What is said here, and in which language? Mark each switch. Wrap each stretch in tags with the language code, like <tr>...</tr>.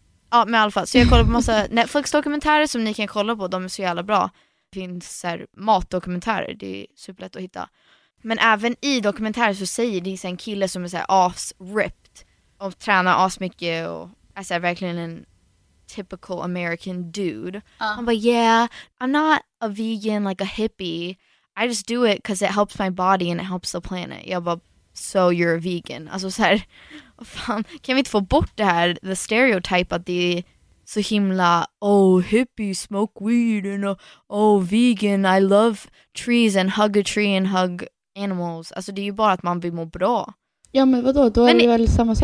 <sv>Ja, med alla fall. Så jag kollar på massa Netflix-dokumentärer som ni kan kolla på. De är så jävla bra. Det finns så här, matdokumentärer. Det är superlätt att hitta. Men även i dokumentärer så säger det en kille som är så här, ass-ripped. Och tränar ass-mycket. Och är så här, verkligen en</sv> <en>typical American dude.</en> <sv>Han bara,</sv> <en>yeah, I'm not a vegan, like a hippie. I just do it because it helps my body and it helps the planet.</en> <sv>Jag bara,</sv> <en>so you're a vegan.</en> <sv>Alltså så här... Fan, kan vi inte få bort det här,</sv> <en>the stereotype</en> <sv>att det är så himla,</sv> <en>oh, hippie, smoke weed, and oh, vegan, I love trees and hug a tree and hug animals.</en> <sv>Alltså det är ju bara att man vill må bra. Ja, men vadå, då är men det väl samma sak.</sv>